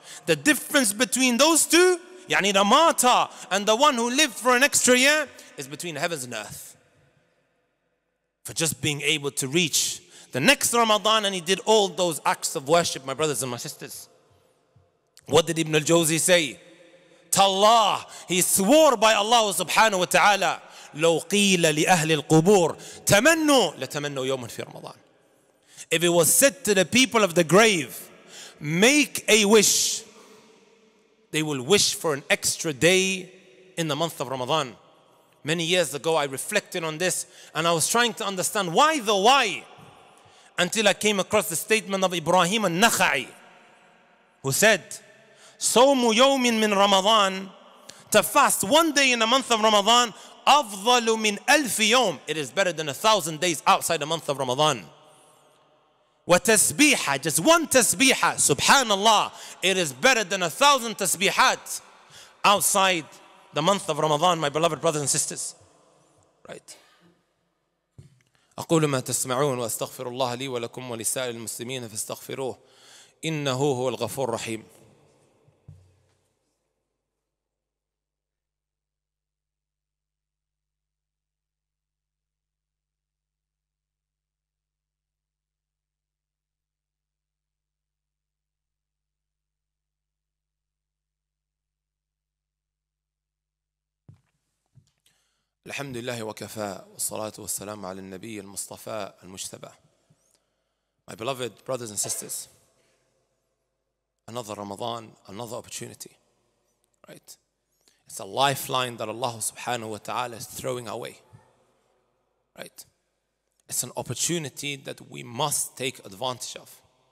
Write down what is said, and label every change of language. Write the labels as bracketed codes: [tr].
[en] The difference between those two, yani the martyr and the one who lived for an extra year, is between heavens and earth. For just being able to reach the next Ramadan, and he did all those acts of worship, my brothers and my sisters. What did Ibn al-Jawzi say? [ar] Tallah, [en] he swore by Allah [ar] subhanahu wa ta'ala, لو قيل لأهل القبور تمنوا لتمنوا يوما في رمضان. [en] If it was said to the people of the grave, make a wish, they will wish for an extra day in the month of Ramadan. Many years ago, I reflected on this and I was trying to understand why though, why? Until I came across the statement of Ibrahim al-Nakhai, who said, [ar] صَوْمُ يَوْمٍ مِّن رَمَضَانٍ. [en] To fast one day in the month of Ramadan, [ar] أَفْضَلُ مِّن أَلْفِ يَوْمٍ. [en] It is better than 1,000 days outside the month of Ramadan. [ar] وَتَسْبِيحَ. [en] Just one tasbihah, subhanallah, it is better than 1,000 tasbihat outside the month of Ramadan, my beloved brothers and sisters. Right? [ar] أقول ما تسمعون وأستغفر الله لي ولكم ولسائر المسلمين فاستغفروه إنه هو الغفور الرحيم. الحمد لله وكفى والصلاة والسلام على النبي المصطفى المجتبى. [en] My beloved brothers and sisters, another Ramadan, another opportunity, right? It's a lifeline that Allah subhanahu wa ta'ala is throwing away, right? It's an opportunity that we must take advantage of.